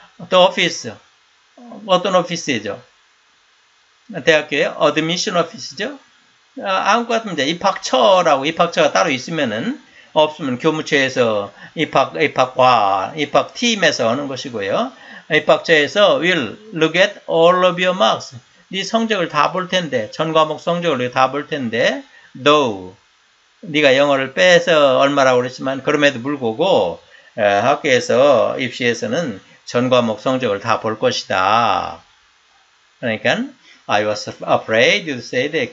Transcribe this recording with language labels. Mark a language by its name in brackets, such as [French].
[English] The office. [Korean] 어떤 오피스죠? 대학교의 admission office죠? 아무것도 없습니다. 입학처라고 입학처가 따로 있으면은 없으면 교무처에서 입학과 입학팀에서 하는 것이고요. 입학처에서 [English] will look at all of your marks. [Korean] 네 성적을 다 볼 텐데 전 과목 성적을 다 볼 텐데 though 네가 영어를 빼서 얼마라고 그랬지만 그럼에도 불구하고 학교에서 입시에서는 전 과목 성적을 다 볼 것이다. 그러니까 [English] I was afraid to say that.